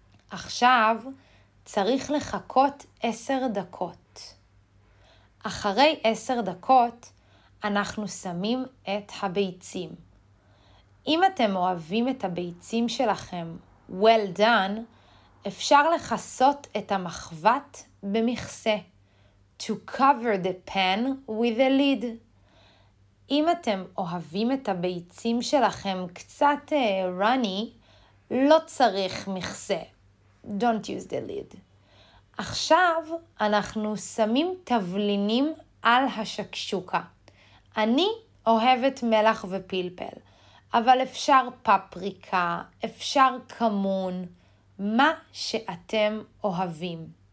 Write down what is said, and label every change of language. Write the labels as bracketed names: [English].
[Hebrew] עכשיו צריך לחכות 10 דקות. אחרי 10 דקות אנחנו שמים את הביצים. אם אתם אוהבים את הביצים שלכם, [English] well done, [Hebrew] אפשר לחסות את המחבת במכסה. [English] To cover the pan with a lid. אם אתם אוהבים את הביצים שלכם קצת runny, לא צריך מכסה. Don't use the lid. [Hebrew] עכשיו אנחנו שמים תבלינים על השקשוקה. אני אוהבת מלח ופלפל, אבל אפשר פפריקה, אפשר כמון, מה שאתם אוהבים.